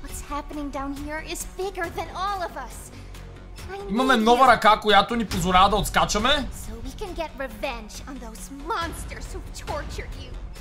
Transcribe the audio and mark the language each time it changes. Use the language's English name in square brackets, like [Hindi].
[English] Happening down here is bigger than all of us. [Bulgarian] Имаме нова ръка, която ни позволява да отскачаме. [English] So we can get revenge on those monsters who tortured you.